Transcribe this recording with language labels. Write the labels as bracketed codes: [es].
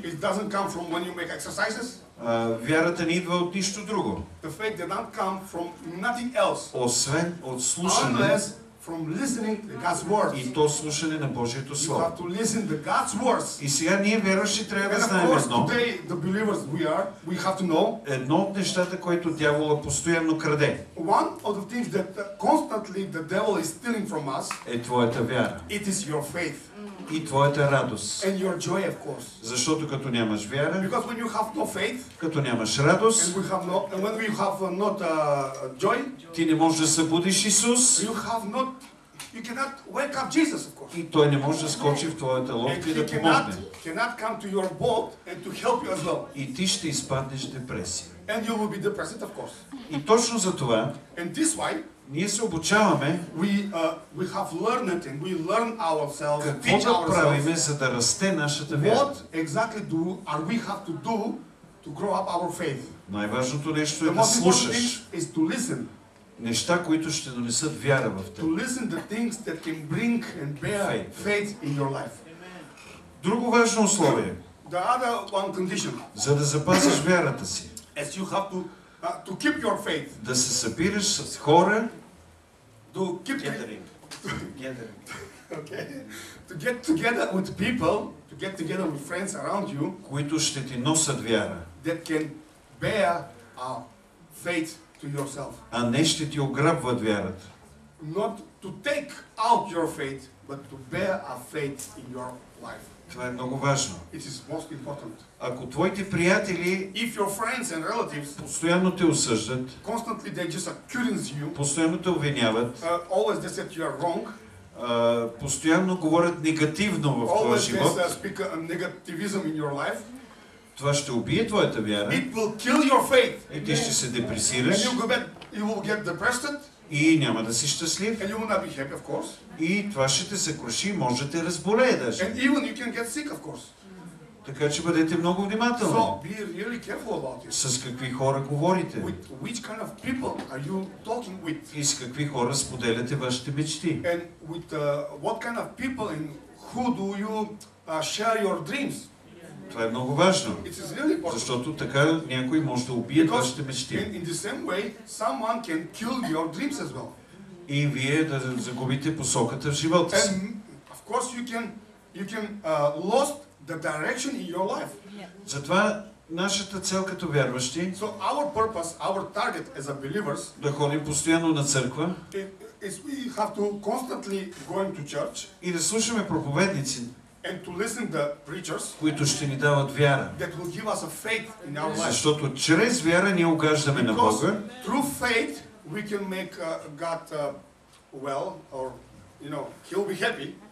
[en] It doesn't come from when you make exercises. [bg] Вярата не идва от нищо друго. [en] The faith does not come from nothing else. [bg] Освен от слушане. [en] From listening to God's words. [bg] И то слушане на Божието слово. [en] You have to listen to God's words. [bg] И сега ние вярващи трябва да знаем [en] course, [bg] едно. [en] Today, the believers we have to know. [bg] Едно от нещата, което дяволът постоянно краде. [en] One of the things that constantly the devil is stealing from us. [bg] Е твоята вяра. [en] It is your faith. [bg] И твоята радост. [en] And your joy, of course. [bg] Защото като нямаш вяра. [en] Because when you have no faith. [bg] Като нямаш радост. [en] And we have no, and when you have not joy. [bg] Ти не можеш да събудиш Исус. [en] You have not. You cannot wake up Jesus, of course. [bg] И той не може да скочи в твоята лодка и да помогне. [en] Cannot come to your boat and to help you as well. [bg] И ти ще изпаднеш депресия. [en] And you will be depressed, of course. [bg] И точно за това. [en] And this why? [bg] Ние се обучаваме. [en] We have learned and we learn ourselves. [bg] Какво да правим, за да расте нашата вяра? [en] What exactly do are we have to do to grow up our faith? [bg] Най-важното нещо е да слушаш. [en] Is to listen. [bg] Неща, които ще донесат вяра в теб. [en] To listen the things that can bring and bear faith in your life. [bg] Друго важно условие. [en] The other one condition. [bg] За да запазиш вярата си. [en] As you have to keep your faith. [bg] Да се събираш с хора. [en] To keep gathering. Okay. To get together with people, to get together with friends around you. [bg] Които ще ти носят вяра. [en] That can bear faith to yourself. [bg] А не ще ти ограбват вярата. [en] not to take out your faith, but to bear a faith in your life. [bg] Това е много важно. [en] It is most important. [bg] Ако твоите приятели, [en] if your friends and relatives, [bg] постоянно те осъждат, [en] constantly they just accuse you, [bg] постоянно те обвиняват, [en] always they said you are wrong, [bg] постоянно говорят негативно в твоя живот, [en] always speak a negativism in your life, [bg] това ще убие твоята вяра. [en] It will kill your faith. [bg] И ти ще се депресираш. [en] You will get depressed. [bg] И няма да си щастлив. [en] And you will not be happy, of course. [bg] И това ще те съкруши, може да те разболее даже. [en] And even you can get sick, of course. [bg] Така че бъдете много внимателни. [en] So, be really careful about it. [bg] С какви хора говорите? [en] With which kind of people are you talking with? [bg] И с какви хора споделяте вашите мечти? [en] And with what kind of people and who do you share your dreams? [bg] Това е много важно, [en] really, [bg] защото така някой може да убие вашите мечти. [en] In the same way, someone can kill your dreams as well. [bg] И вие да загубите посоката в живота си. [en] And of course you can lost the direction in your life. [bg] Затова нашата цел като вярващи, [en] so our purpose, our target as a believers, [bg] да ходим постоянно на църква, [en] is we have to constantly going to church, [bg] и да слушаме проповедници, [en] and to listen the preachers, [bg] които ще ни дават вяра. [en] That will give us a faith in our life. [bg] Защото чрез вяра ние угаждаме на Бога. [en] Through faith we can make God well, or you know, he'll be happy.